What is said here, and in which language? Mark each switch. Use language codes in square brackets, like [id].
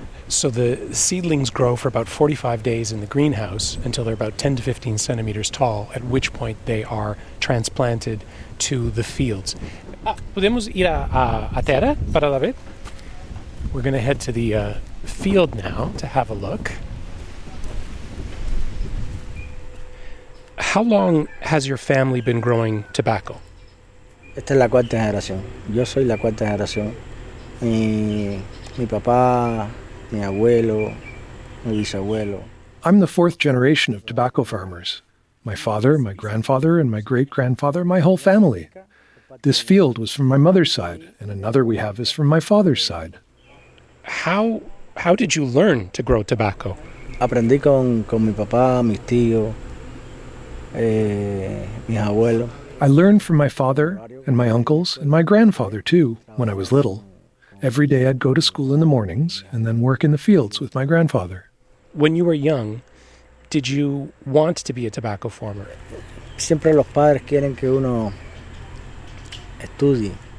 [en] So the seedlings grow for about 45 days in the greenhouse until they're about 10 to 15 centimeters tall, at which point they are transplanted to the fields. [es] Podemos ir a terra para la vid? [en] We're going to head to the field now to have a look. How long has your family been growing tobacco? [es] Esta es la cuarta generación. Yo soy la cuarta generación. Mi papá, mi abuelo, mi bisabuelo. [en] I'm the fourth generation of tobacco farmers. My father, my grandfather, and my great-grandfather, my whole family. This field was from my mother's side, and another we have is from my father's side. How did you learn to grow tobacco? [es] Aprendí con mi papá, mi tío, mi abuelo. [en] I learned from my father and my uncles and my grandfather too when I was little. Every day I'd go to school in the mornings and then work in the fields with my grandfather. When you were young, did you want to be a tobacco farmer? [es] Siempre los padres quieren que uno estudie.